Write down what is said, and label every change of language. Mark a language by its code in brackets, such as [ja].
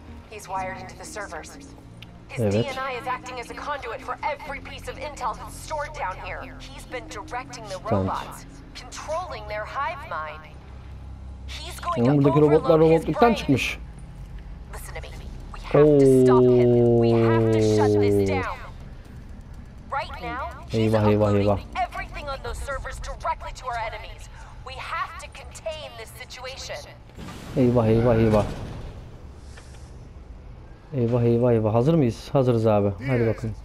[en] He's wired into the servers. [tr] Evet. [en] His DNA is acting as a conduit for every piece of intel that's stored down here. He's been directing the robots, controlling their hive mind. He's going to [tr] buradaki robotlar robotluktan çıkmış. [en] Listen to me. We have to stop him. We have to shut this down. Right now, he's uploading everything on those servers directly to our enemies. We have to contain this situation. [tr] Eyvah. Hazır mıyız? Hazırız abi. Hadi bakalım.